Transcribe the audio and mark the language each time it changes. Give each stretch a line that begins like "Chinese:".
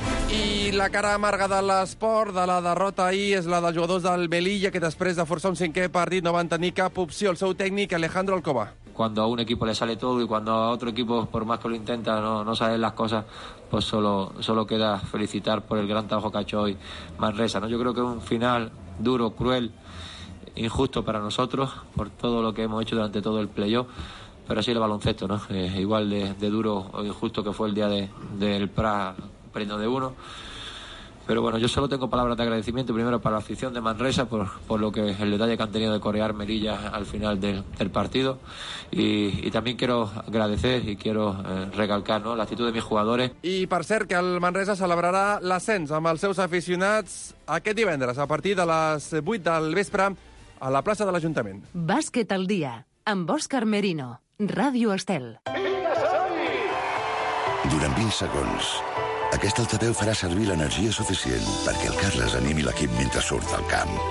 Catalan: I la cara amarga de l'esport, de la derrota ahir, és la dels jugadors del Melilla, que després de forçar un cinquè partit no van tenir cap opció. El seu tècnic, Alejandro Alcoba.
Spanish: Cuando a un equipo le sale todo y cuando a otro equipo, por más que lo intenta, no salen las cosas, pues solo queda felicitar por el gran trabajo que ha hecho hoy Manresa, ¿no? Yo creo que es un final duro, cruel, injusto para nosotros, por todo lo que hemos hecho durante todo el playoff. Pero así el baloncesto, ¿no? Igual de duro o injusto que fue el día del Prat, perdiendo de uno. Pero bueno, yo solo tengo palabras de agradecimiento primero para la afición de Manresa por lo que el detalle que han tenido de corear Melilla al final del partido. Y también quiero agradecer y quiero recalcar, ¿no?, la actitud de mis jugadores.
Catalan: I per cert, que el Manresa celebrarà l'ascens amb els seus aficionats aquest divendres a partir de les 8 del vespre a la plaça de l'Ajuntament. Bàsquet al dia amb Òscar Merino, Ràdio Estel. Durant 20 segons, aquest altaveu farà servir l'energia suficient perquè el Carles animi l'equip mentre surt al camp.